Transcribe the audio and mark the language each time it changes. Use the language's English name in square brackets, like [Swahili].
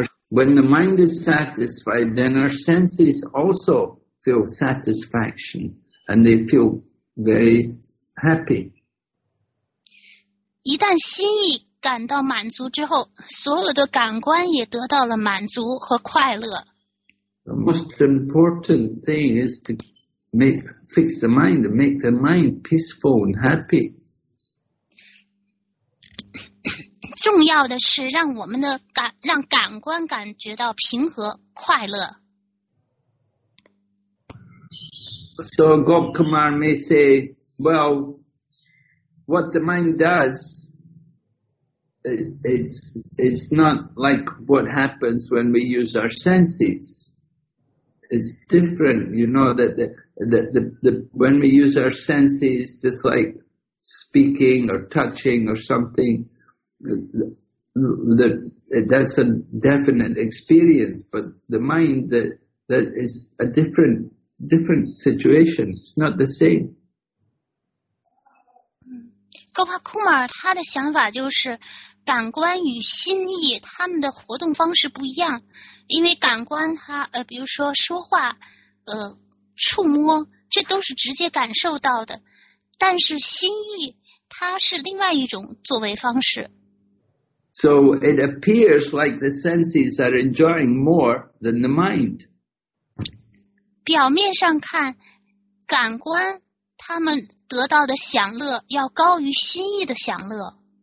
[English] When the mind is satisfied, then our senses also feel satisfaction, and they feel very happy. [Chinese] 一旦心意感到满足之后，所有的感官也得到了满足和快乐。 [English] The most important thing is to fix the mind, make the mind peaceful and happy. [Chinese] 重要的是让我们的让感官感觉到平和快乐。 [English] So Gopkumar may say, well, what the mind does is not like what happens when we use our senses. It's different, you know, that when we use our senses, just like speaking or touching or something,that's a definite experience, but the mind, that is a different situation. It's not the same. [Chinese] Gopal Kumar, 他的想法就是感官与心意他们的活动方式不一样，因为感官他比如说说话触摸，这都是直接感受到的，但是心意它是另外一种作为方式。 [English] So it appears like the senses are enjoying more than the mind. [Chinese] 表面上看，感官他们得到的享乐要高于心意的享乐。